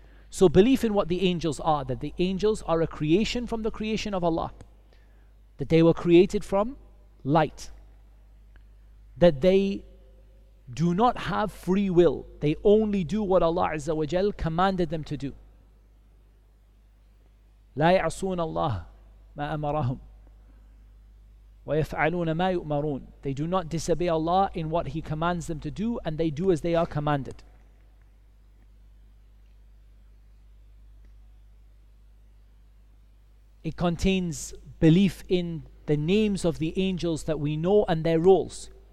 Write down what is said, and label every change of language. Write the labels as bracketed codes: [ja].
[en] So belief in what the angels are, that the angels are a creation from the creation of Allah, that they were created from light, that they do not have free will. They only do what Allah Azza wa Jal commanded them to do. [ar] لا يعصون الله ما أمرهم ويفعلون ما يؤمرون. [en] They do not disobey Allah in what He commands them to do, and they do as they are commanded. It contains belief in the names of the angels that we know and their roles.